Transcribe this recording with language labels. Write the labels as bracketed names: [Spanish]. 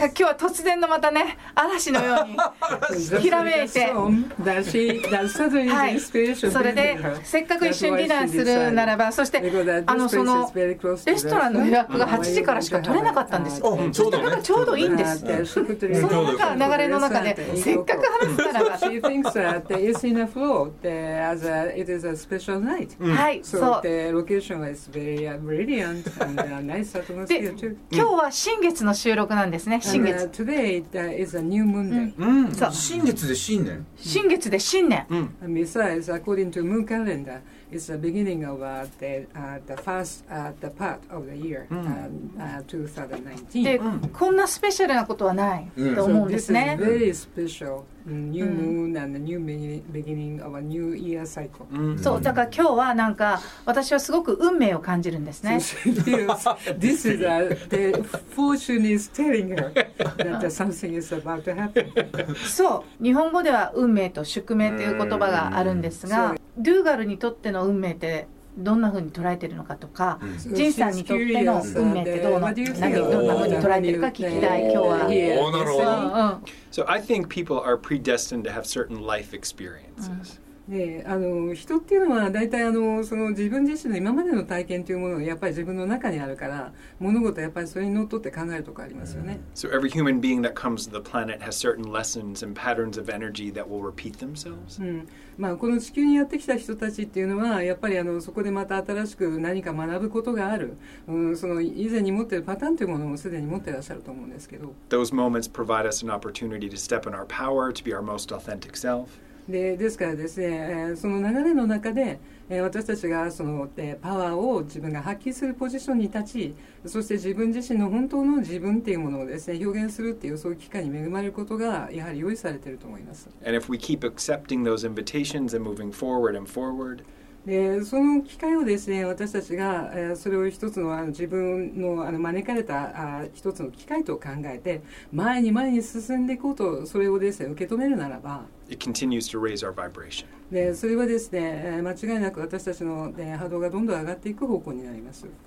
[Japanese] なんか今日は突然のまたね、嵐のようにひらめいて、はい、それでせっかく一緒にディナーするならば、そしてあのそのレストランの予約が8時からしか取れなかったんですよ。ちょうど、ね、なんかちょうどいいんです、ね、その中流れの中でせっかく話すならば、 [English] she thinks that it is a special night、う [Japanese] ん、はい、 [English] so、the location is very brilliant and a nice atmosphere too。 [Japanese] 今日は新月の収録なんですね。新月。 [English] Today is a new moon day。 [Japanese] そう、新月で新年。新月で新年。 [English] And besides, according to moon calendar, it's the beginning of the first the part of the year 2019。 [Japanese] で、こんなスペシャルなことはないと思うんですね。 [English] So、this is very special new moon and the new beginning of a new year cycle。 [Japanese] そう、だから今日はなんか私はすごく運命を感じるんですね。 [English] This is the fortune is telling her that something is about to happen。 [Japanese] そう、日本語では運命と宿命という言葉があるんですが、ドゥーガルにとっての運命ってどんな風に捉えてるのかとか、ジンさんにとっての運命ってどんな風に捉えてるか聞きたい今日は。おー、なるほど。 [English] So I think people are predestined to have certain life experiences [Japanese] ね、あの人っていうのは大体あのその自分自身の今までの体験というものがやっぱり自分の中にあるから、物事はやっぱりそれにのっとって考えるとこありますよね。 [English] So every human being that comes to the planet has certain lessons and patterns of energy that will repeat themselves、 [Japanese] まあ、この地球にやってきた人たちっていうのはやっぱりあのそこでまた新しく何か学ぶことがある、その以前に持っているパターンというものもすでに持っていらっしゃると思うんですけど、 [English] Those moments provide us an opportunity to step in our power to be our most authentic self [Japanese] で、 ですからですね、その流れの中で、私たちがその、パワーを自分が発揮するポジションに立ち、そして自分自身の本当の自分っていうものをですね、表現するっていうそういう機会に恵まれることがやはり用意されていると思います。 [English] And if we keep accepting those invitations and moving forward and forward、 [Japanese] で、その機会をですね、私たちが、それを一つの、 自分の、 招かれた、一つの機会と考えて、前に前に進んでいこうと、それをですね、受け止めるならば、 [English] It continues to raise our vibration. [Japanese] で、それはですね、間違いなく私たちの、波動がどんどん上がっていく方向になります。